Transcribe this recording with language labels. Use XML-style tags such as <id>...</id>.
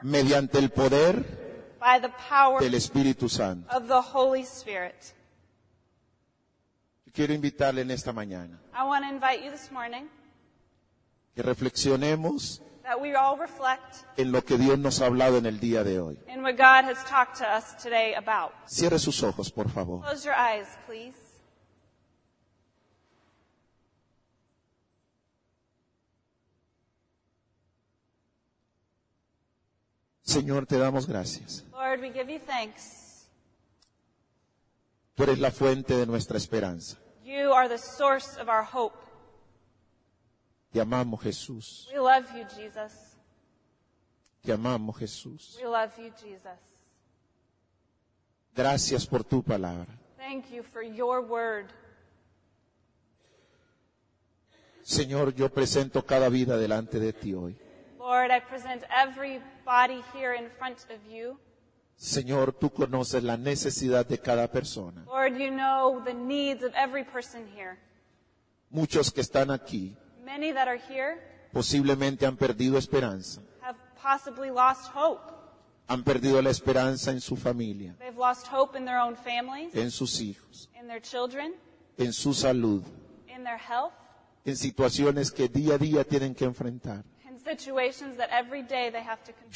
<es>mediante el poder</es> <en>by the power</en> <es>del Espíritu Santo.</es> <en>Of the Holy Spirit.</en> <es>Quiero invitarle en esta mañana.</es> <en>I want to invite you this morning.</en> <es>Que reflexionemos.</es> <en>That we all reflect.</en> <es>En lo que Dios nos ha hablado en el día de hoy.</es> <en>In what God has talked to us today about.</en> <es>Cierre sus ojos, por favor.</es> <en>Close your eyes, please.</en> <es>Señor, te damos gracias.</es> <en>Lord, we give you thanks.</en> <es>Tú eres la fuente de nuestra esperanza.</es> <en>You are the source of our hope.</en> <es>Te amamos, Jesús.</es> <en>We love you, Jesus.</en> <es>Te amamos, Jesús.</es> <en>We love you, Jesus.</en> <es>Gracias por tu palabra.</es> <en>Thank you for your word.</en> <es>Señor, yo presento cada vida delante de ti hoy.</es> <en>Lord, I present every body here in front of you.</en> <es>Señor, tú conoces la necesidad de cada persona.</es> <en>Lord, you know the needs of every person here.</en> <es>Muchos que están aquí.</es> <en>Many that are here.</en> <es>Posiblemente han perdido esperanza.</es> <en>Have possibly lost hope.</en> <es>Han perdido la esperanza en su familia.</es> <en>They've lost hope in their own families.</en> <es>En sus hijos.</es> <en>In their children.</en> <es>En su salud.</es> <en>In their health.</en> <es>En situaciones que día a día tienen que enfrentar.</es> <en>Situations that every day they have to confront.</en>